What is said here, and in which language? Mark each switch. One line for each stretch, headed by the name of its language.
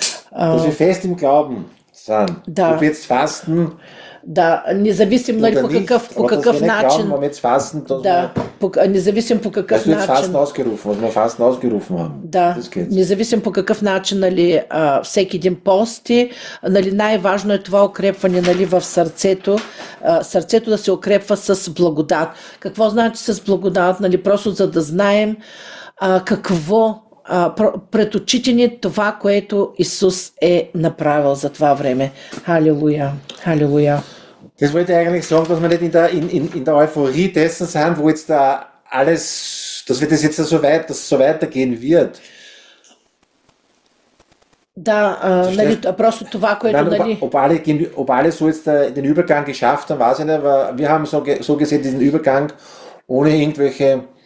German: Dass wir fest im Glauben sind. Ob wir jetzt fasten.
Bulgarian: Da, независимо нали, по какъв начин.
German: Glauben, jetzt fasten,
Bulgarian: da, независимо по какъв начин.
German: Dass wir jetzt fasten ausgerufen, was wir fasten ausgerufen haben.
Bulgarian: Da, независимо по какъв начин, нали, всеки един пости, нали, най-важно е това укрепване, нали, в сърцето. Сърцето да се укрепва с благодат. Какво значи с благодат? Нали, просто за да знаем какво пред очите ни това, което Исус е направил за това време. Халилуя! Халилуя!
German: Das wollte ich eigentlich sagen, dass wir nicht in der Euphorie dessen sind, wo jetzt da alles, dass wir das jetzt so weit, dass es so weitergehen wird.
Bulgarian: Da, нали, просто това, което, нали...
German: Ob alle so jetzt den Übergang geschafft haben, weiß ich nicht, aber wir haben so gesehen diesen Übergang ohne irgendwelche.